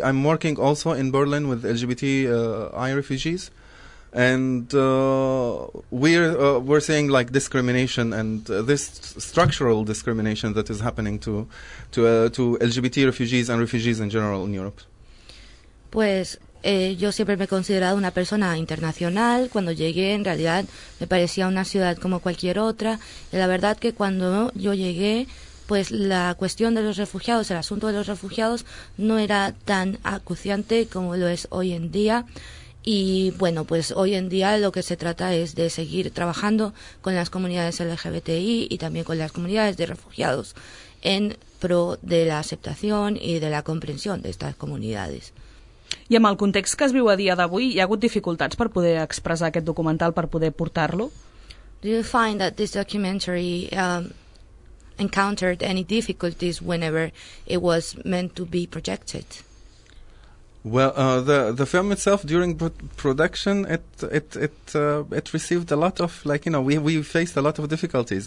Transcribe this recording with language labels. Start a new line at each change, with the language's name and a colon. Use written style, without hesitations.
English: I'm working also in Berlin with LGBTI refugees, and we're seeing like discrimination and this structural discrimination that is happening to LGBT refugees and refugees in general in Europe.
Spanish: Pues Yo siempre me he considerado una persona internacional. Cuando llegué, en realidad, me parecía una ciudad como cualquier otra. Y la verdad que cuando yo llegué, pues la cuestión de los refugiados, el asunto de los refugiados, no era tan acuciante como lo es hoy en día. Y bueno, pues hoy en día lo que se trata es de seguir trabajando con las comunidades LGBTI y también con las comunidades de refugiados en pro de la aceptación y de la comprensión de estas comunidades.
Catalan: I amb el context que es viu a dia d'avui, hi ha hagut dificultats per poder expressar aquest documental, per poder portar-lo?
English: Do you find that this documentary encountered any difficulties whenever it was meant to be projected? Well, the film itself during production it received a lot of, like, you know, we faced a lot of difficulties.